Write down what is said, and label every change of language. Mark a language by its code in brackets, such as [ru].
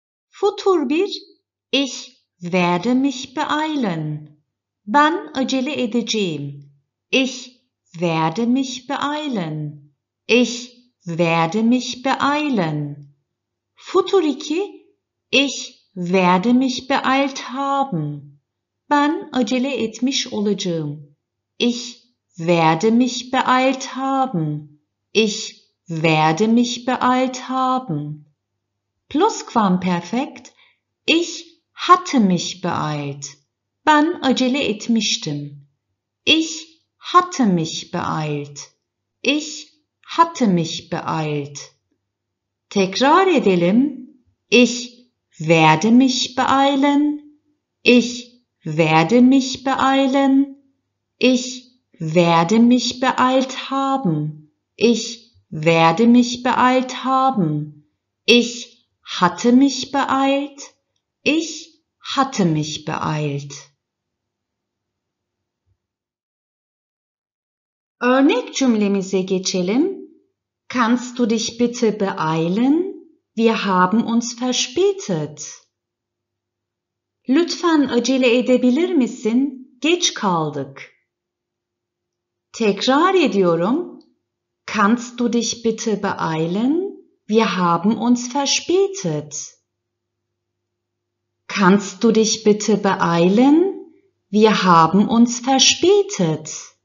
[de] Futur bir, ich werde mich beeilen. [tr] Ben acele edeceğim. [de] Ich werde mich beeilen. Ich werde mich beeilen. Futur iki, ich werde mich beeilt haben. [tr] Ben acele etmiş olacağım. [de] Ich werde mich beeilt haben. Ich werde mich beeilt haben. Plusquamperfekt. Ich hatte mich beeilt. [tr] Ben acele etmiştim. [de] Ich hatte mich beeilt. Ich hatte mich beeilt. [tr] Tekrar edelim. [de] Ich werde mich beeilen. Ich werde mich beeilen. Ich werde mich beeilt haben. Ich werde mich beeilt haben. Ich hatte mich beeilt. Ich hatte mich beeilt. [tr] Örnek cümlemize geçelim. [de] Kannst du dich bitte beeilen? Wir haben uns verspätet. [tr] Lütfen acele edebilir misin? Geç kaldık. Tekrar ediyorum. [de] Kannst du dich bitte beeilen? Wir haben uns verspätet. Kannst du dich bitte beeilen? Wir haben uns verspätet.